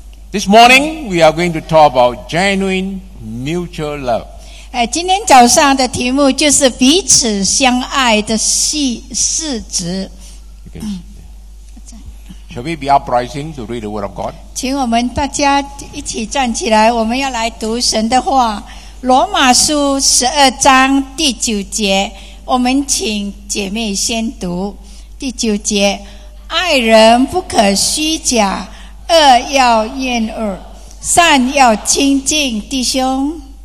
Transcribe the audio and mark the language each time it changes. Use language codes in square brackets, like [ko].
[en] This morning we are going to talk about genuine mutual love. [zh] 今天早上的题目就是彼此相爱的事实。 [en] Shall we be uprising to read the word of God? [zh] 请我们大家一起站起来，我们要来读神的话。罗马书十二章第九节，我们请姐妹先读第九节。爱人不可虚假，恶要厌恶，善要亲近弟兄。